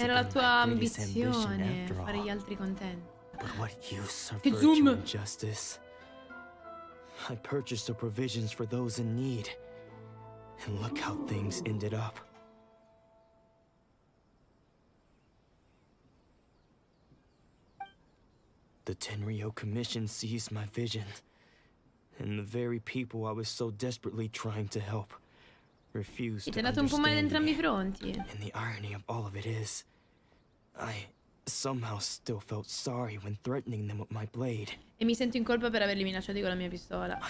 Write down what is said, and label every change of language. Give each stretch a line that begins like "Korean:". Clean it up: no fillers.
Italian: era la tua ambizione, fare gli altri contenti.
English: But what use of virtue and justice? I purchased the provisions for those in need, and look how things ended up. The Tenryo Commission seized my vision, and the very people I was so desperately trying to help refused to understand.
Italian: Ti è andato un po' male entrambi i fronti.
English: And the irony of all of it is, I somehow still felt sorry when threatening them with my blade.
Italian: E mi sento in colpa per averli minacciati con la mia pistola.